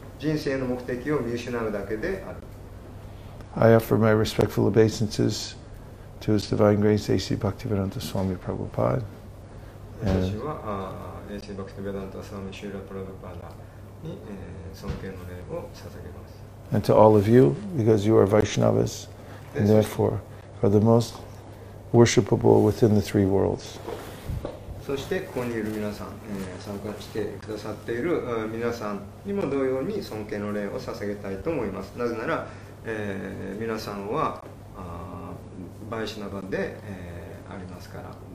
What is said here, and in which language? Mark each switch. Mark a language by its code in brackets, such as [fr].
[ja] 人生の目的を見失うだけである。 [en] I offer my respectful obeisances to His Divine Grace A.C. Bhaktivedanta Swami Prabhupada. [ja] 私は A.C. Bhaktivedanta Swami Srila Prabhupada に尊敬の礼を捧げます。 [en] And to all of you, because you are Vaishnavas and therefore are the most worshipable within the three worlds. [ja] そしてここにいる皆さん、参加してくださっている皆さんにも同様に尊敬の礼を捧げたいと思います。なぜなら、皆さんはバイシナバで、ありますから。